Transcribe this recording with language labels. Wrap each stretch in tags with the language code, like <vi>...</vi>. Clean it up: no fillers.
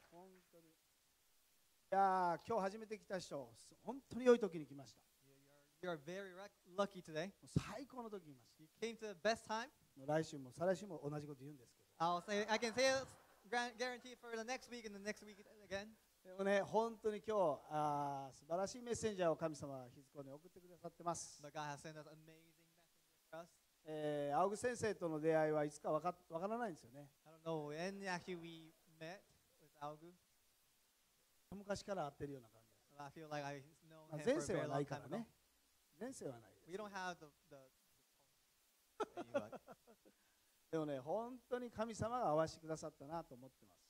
<ja>本当に、いや今日初めて来た人、本当に良い時に来ました。</ja> <en>You are very lucky today.</en> <ja>最高の時に来ました。</ja> <en>You came to the best time.</en> <ja>来週も再来週も同じこと言うんですけど、</ja> <en>I can say it guarantee for the next week and the next week again.</en> <ja>でもね、本当に今日素晴らしいメッセンジャーを神様は日付に送ってくださってます。</ja> <en>But God has sent us amazing messages for us.</en> <ja>青木先生との出会いはいつか分からないんですよね。</ja> <en>I don't know when actually we met with 青木。</en> <ja>昔から会ってるような感じ。</ja> <en>But、I feel like I've known him for a very long time.</en> <ja>前世はないからね。前世はない。</ja> <en>We don't have the</en> <ja>でもね、本当に神様が会わせてくださったなと思ってます。</ja>